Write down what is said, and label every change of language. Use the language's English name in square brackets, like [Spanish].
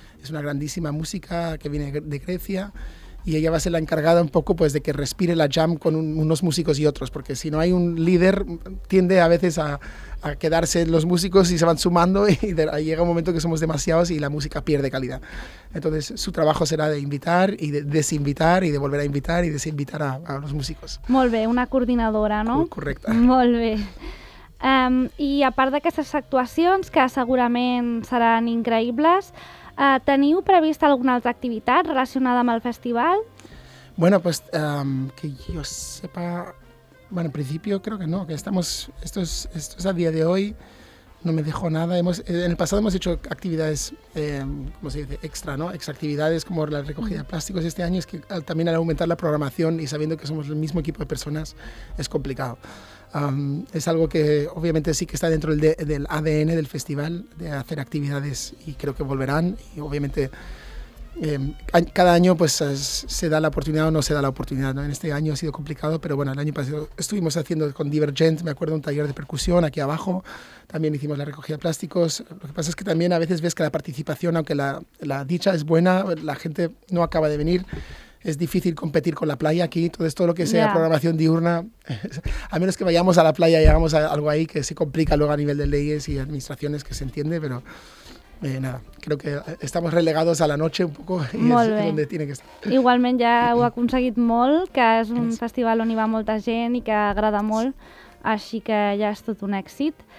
[Spanish] Es una grandísima música que viene de Grecia. Y ella va a ser la encargada un poco pues, de que respire la jam con unos músicos y otros, porque si no hay un líder, tiende a veces a quedarse los músicos y se van sumando y llega un momento que somos demasiados y la música pierde calidad. Entonces su trabajo será de invitar y de desinvitar y de volver a invitar y desinvitar a los músicos. [Catalan] Molt bé, una coordinadora, ¿no? Correcte. Molt bé. I a part d'aquestes actuacions, que segurament seran increïbles, ¿teniu prevista alguna altra activitat relacionada amb el festival? [Spanish] Bueno, pues que yo sepa... Bueno, en principio creo que no, que estamos... Esto es a día de hoy, no me dejo nada. En el pasado hemos hecho actividades, ¿cómo se dice? Extra, ¿no? Ex-actividades como la recogida de plásticos este año. Es que también al aumentar la programación y sabiendo que somos el mismo equipo de personas, es complicado. Es algo que obviamente sí que está dentro del ADN del festival, de hacer actividades, y creo que volverán. Y obviamente cada año pues, se da la oportunidad o no se da la oportunidad, ¿no? En este año ha sido complicado, pero bueno, el año pasado estuvimos haciendo con Divergent, me acuerdo, un taller de percusión aquí abajo. También hicimos la recogida de plásticos. Lo que pasa es que también a veces ves que la participación, aunque la dicha es buena, la gente no acaba de venir. Es difícil competir con la playa aquí, entonces todo lo que sea programación diurna, a menos que vayamos a la playa y hagamos algo ahí que se complica luego a nivel de leyes y administraciones, que se entiende, pero Nada, creo que estamos relegados a la noche un poco y [Catalan] molt es bé. [Spanish] Donde tiene que estar. [Catalan] Igualment ja ho ha aconseguit molt, que és un gràcies. Festival on hi va molta gent i que agrada molt, així que ja és tot un èxit.